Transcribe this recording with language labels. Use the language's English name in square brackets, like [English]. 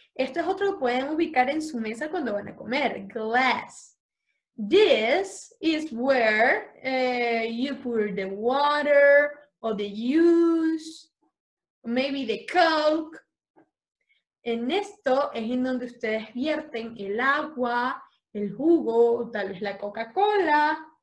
[Spanish] Esto es otro que pueden ubicar en su mesa cuando van a comer. [English] Glass. This is where you put the water or the juice, maybe the coke. [Spanish] En esto es en donde ustedes vierten el agua, el jugo, tal vez la Coca-Cola.